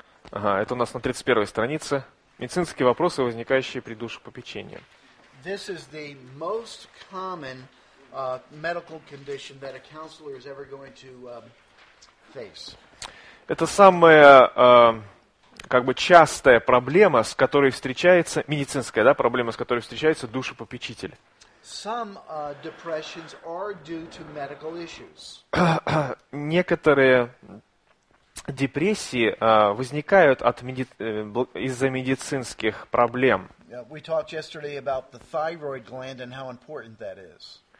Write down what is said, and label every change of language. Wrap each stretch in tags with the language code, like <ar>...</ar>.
<ru>Ага, это у нас на 31-й странице. Медицинские вопросы, возникающие при душепопечении.</ru> <en>This is the most common medical condition that a counselor is ever going to face.</en> <ru>Это самая как бы частая проблема, с которой встречается медицинская, да, проблема, с которой встречается душепопечитель.</ru> <en>Some depressions are due to medical issues.</en> <ru>Некоторые депрессии возникают от из-за медицинских проблем.</ru> <en>We talked yesterday about the thyroid gland and how important that is.</en>